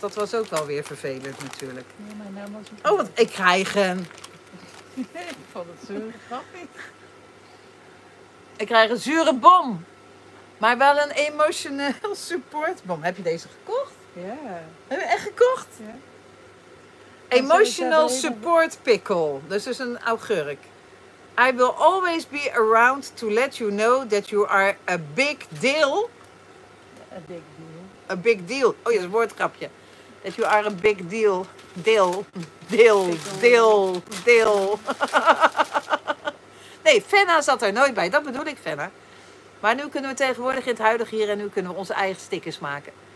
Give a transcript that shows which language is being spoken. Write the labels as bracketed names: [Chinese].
[Dutch] Dat was ook wel weer vervelend natuurlijk. Ja, mijn naam was ook... Oh, wat ik krijg een... Ik vond het zo grappig. Ik krijg een zure bom. Maar wel een emotioneel supportbom. Heb je deze gekocht? Ja. Heb je echt gekocht? Ja. [English] Emotional support pickle. [Dutch] Dus is een augurk. [English] I will always be around to let you know that you are a big deal. A big deal. A big deal. [Dutch] Oh, ja, is een woordkrapje. [English] That you are a big deal. Deal. Deal. Deal. Deal. [Dutch] Nee, Fenna zat er nooit bij. Dat bedoel ik, Fenna. Maar nu kunnen we tegenwoordig in het huidige hier en nu kunnen we onze eigen stickers maken.